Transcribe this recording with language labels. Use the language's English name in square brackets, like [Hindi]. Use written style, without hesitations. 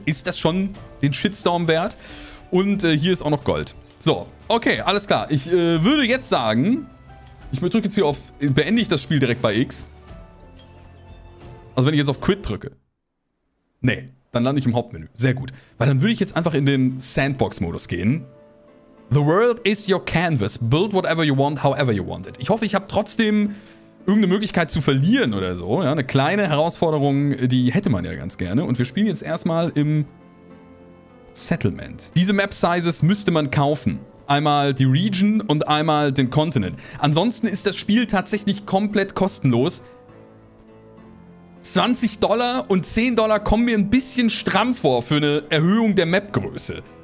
[German] Ist das schon den Shitstorm wert? Und hier ist auch noch Gold. So, okay, alles klar. Ich würde jetzt sagen, ich drücke jetzt hier auf, beende ich das Spiel direkt bei X. Also wenn ich jetzt auf Quit drücke. Nee, dann lande ich im Hauptmenü. Sehr gut. Weil dann würde ich jetzt einfach in den Sandbox-Modus gehen. [English] The world is your canvas. Build whatever you want, however you want it. [German] Ich hoffe, ich habe trotzdem irgendeine Möglichkeit zu verlieren oder so. Ja, eine kleine Herausforderung, die hätte man ja ganz gerne. Und wir spielen jetzt erstmal im Settlement. Diese Map Sizes müsste man kaufen. Einmal die Region und einmal den Continent. Ansonsten ist das Spiel tatsächlich komplett kostenlos. $20 und $10 kommen mir ein bisschen stramm vor für eine Erhöhung der Mapgröße.